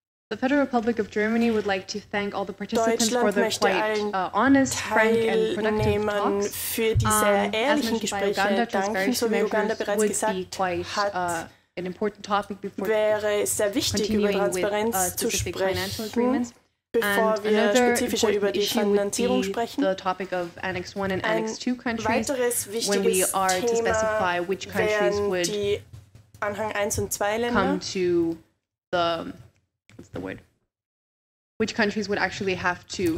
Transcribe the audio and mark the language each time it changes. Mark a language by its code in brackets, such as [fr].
[en] The Federal Republic of Germany would like to thank all the participants for the quite honest, frank and productive talks. [de] Für diese ehrlichen Gespräche danken, so wie Uganda bereits gesagt hat. [en] An important topic before [de] wäre sehr wichtig, über Transparenz zu sprechen, bevor wir spezifischer über die Finanzierung sprechen. [en] The topic of Annex 1 and Annex 2 countries, [de] ein weiteres wichtiges Thema wären die Anhang 1 und 2 Länder. [en] Come to the which countries would actually have to